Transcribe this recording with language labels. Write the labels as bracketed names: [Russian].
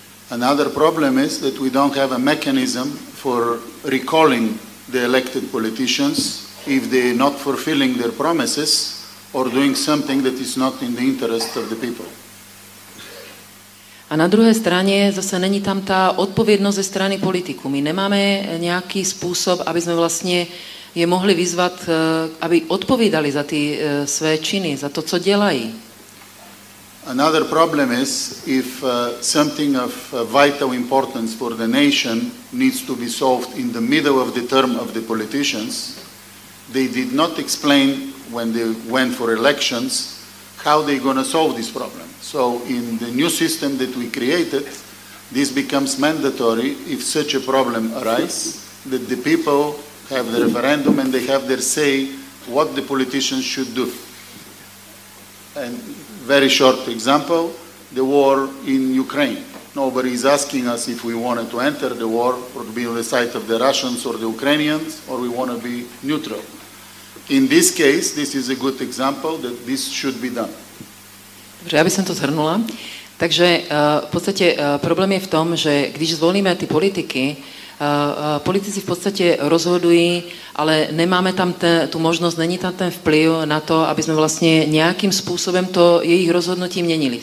[English] Another problem is that we don't have a mechanism for recalling the elected politicians if they not fulfilling their promises or doing something that is not in the interest of the people. [Czech] A na druhé straně zase není tam ta odpovědnost ze strany politiků. My nemáme nějaký způsob, aby jsme vlastně je mohli vyzvat, aby odpovídali za ty své činy, za to, co dělají. [English] Another problem is if something of vital importance for the nation needs to be solved in the middle of the term of the politicians, they did not explain when they went for elections how they going to solve this problem. So in the new system that we created, this becomes mandatory if such a problem arises, that the people have the referendum and they have their say what the politicians should do. And very short example, the war in Ukraine. Nobody is asking us if we wanted to enter the war or to be on the side of the Russians or the Ukrainians, or we want to be neutral. In this case, this is a good example that this should be done. [Czech] Dobře, já bych to shrnula. Takže v podstatě problém je v tom, že když zvolíme ty politiky, politici v podstatě rozhodují, ale nemáme tam tu možnost, není tam ten vplyv na to, aby jsme vlastně nějakým způsobem to jejich rozhodnutí měnili.